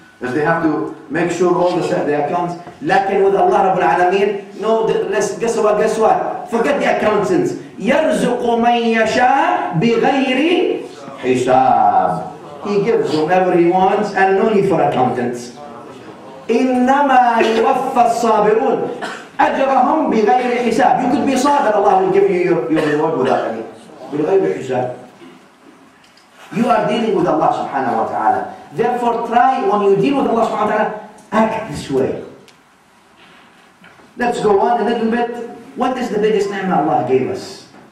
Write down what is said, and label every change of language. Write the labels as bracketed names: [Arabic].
[English] Because they have to make sure all the accounts. [Arabic] لكن [English] with Allah رب العالمين, no, guess what? Forget the accountants. [Arabic] يرزق من يشاء بغير حساب. [English] He gives whomever he wants and no need for accountants. [Arabic] إنما يوفى الصابرون أجرهم بغير حساب. [English] You could be صابر, Allah will give you your reward without any. [Arabic] بغير حساب. [English] You are dealing with Allah subhanahu wa ta'ala. Therefore try, when you deal with Allah subhanahu wa ta'ala, act this way. Let's go on a little bit. What is the biggest ni'mah Allah gave us?